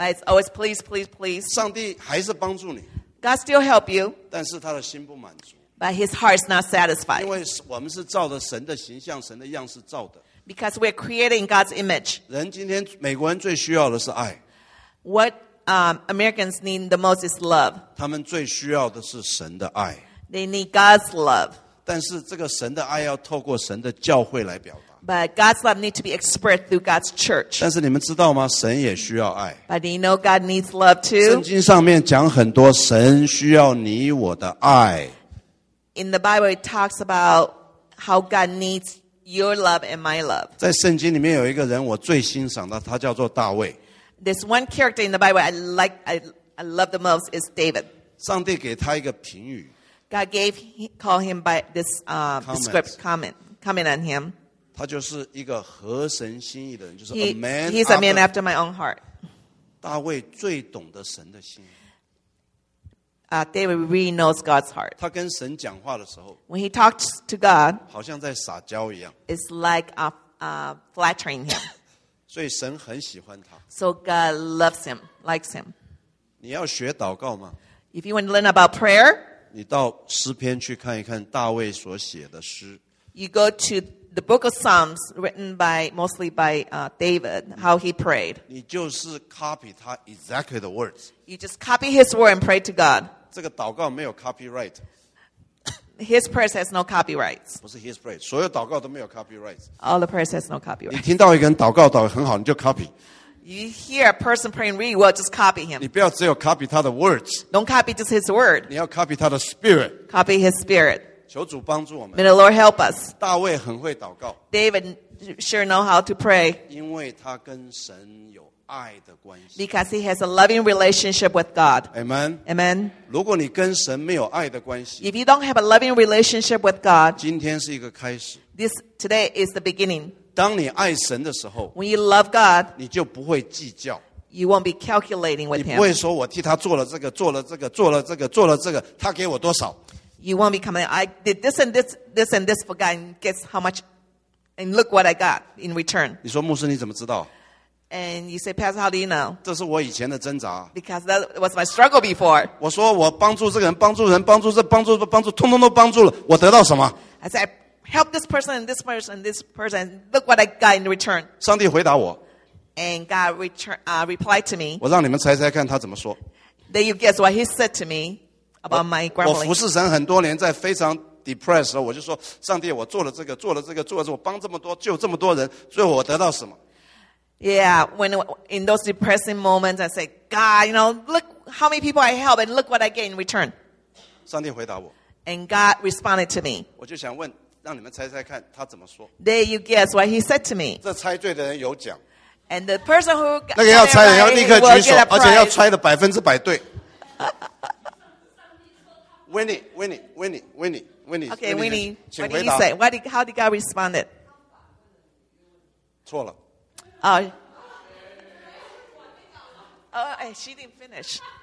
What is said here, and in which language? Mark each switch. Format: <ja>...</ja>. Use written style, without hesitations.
<en>It's always please, please, please.</en> <zh>上帝还是帮助你</zh> <en>God still help you.</en> <zh>但是他的心不满足</zh> <en>But his heart is not satisfied.</en> <zh>因为我们是照着神的形象，神的样式造的</zh> <en>Because we're created in God's image.</en> <zh>人今天美国人最需要的是爱</zh> <en>What? Americans need the most is love.</en> <zh>他们最需要的是神的爱。</zh> <en>They need God's love.</en> <zh>但是这个神的爱要透过神的教会来表达。</zh> <en>But God's love needs to be expressed through God's church.</en> <zh>但是你们知道吗？神也需要爱。</zh> <en>But do you know God needs love too?</en> <zh>圣经上面讲很多神需要你我的爱。</zh> <en>In the Bible, it talks about how God needs your love and my love.</en> <zh>在圣经里面有一个人我最欣赏的，他叫做大卫。</zh> <en>This one character in the Bible I love the most is David.</en> <zh>上帝给他一个评语。</zh> <en>God gave call him by this script comment on him.</en> <zh>他就是一个合神心意的人，就是</zh> <en>He's a man after my own heart.</en> <zh>大卫最懂得神的心。</zh> <en>David really knows God's heart.</en> <zh>他跟神讲话的时候</zh> <en>，When he talks to God，</en> <zh>好像在撒娇一样。</zh> <en>It's like flattering him.</en> <zh>所以神很喜欢他。</zh> <en>So God loves him, likes him.</en> <zh>你要学祷告吗</zh> <en>？If you want to learn about prayer，</en> <zh>你到诗篇去看一看大卫所写的诗。</zh> <en>You go to the book of Psalms written by mostly by David, how he prayed.</en> <zh>你就是</zh> <en>copy</en> <zh>他</zh> <en>exactly the words. You just copy his word and pray to God.</en> <zh>这个祷告没有</zh> <en>copyright. His prayers has no copyrights.</en> <zh>不是</zh> <en>his prayers，</en> <zh>所有祷告都没有</zh> <en>copyrights. All the prayers has no copyrights.</en> <zh>你听到一个人祷告祷得很好，你就</zh> <en>copy。 You hear a person praying really well, just copy him.</en> <zh>你不要只有</zh> <en>copy</en> <zh>他的</zh> <en>words. Don't copy just his word.</en> <zh>你要</zh> <en>copy</en> <zh>他的</zh> <en>spirit. Copy his spirit.</en> <zh>求主帮助我们。</zh> <en>May the Lord help us.</en> <zh>大卫很会祷告。</zh> <en>David sure know how to pray.</en> <zh>因为他跟神有爱的关系。</zh> <en>Because he has a loving relationship with God. Amen. Amen.</en> <zh>如果你跟神没有爱的关系。</zh> <en>If you don't have a loving relationship with God.</en> <zh>今天是一个开始。</zh> <en>This today is the beginning.</en> <zh>当你爱神的时候。</zh> <en>When you love God.</en> <zh>你就不会计较。</zh> <en>You won't be calculating with him.</en> <zh>你不会说我替他做了这个，做了这个，做了这个，做了这个，他给我多少。</zh> <en>You won't be coming. I did this and this, this and this for God, and guess how much, and look what I got in return.</en> <zh>你说牧师你怎么知道？</zh> <en>And you say, Pastor, how do you know?</en> <zh>这是我以前的挣扎。</zh> <en>Because that was my struggle before.</en> <zh>我说我帮助这个人，帮助人，帮助这，帮助这，帮助，通通都帮助了，我得到什么？</zh> <en>I said, help this person and this person and this person, and look what I got in return.</en> <zh>上帝回答我。</zh> <en>And God replied to me.</en> <zh>我让你们猜猜看他怎么说。</zh> <en>Then you guess what he said to me. About my</en> <zh>我服侍神很多年，在非常</zh> <en>depressed</en> <zh>时候，我就说：“上帝，我做了这个，做了这个，做了这个，我帮这么多，救这么多人，最后我得到什么</zh> <en>？”Yeah, when in those depressing moments, I say, God, you know, look how many people I help, and look what I get in return.</en> <zh>上帝回答我。</zh> <en>And God responded to me.</en> <zh>我就想问，让你们猜猜看，他怎么说</zh> <en>？There you guess what he said to me.</en> <zh>这猜对的人有奖。</zh> <en>And the person who</en> <zh>那个要猜的要立刻举手，而且要猜的百分之百对。</zh> <en>Winnie, Winnie, Winnie, Winnie, Winnie. Okay, Winnie, what did you say? What did, how did God respond it?</en> <zh>错了。</zh> <en>She didn't finish.</en>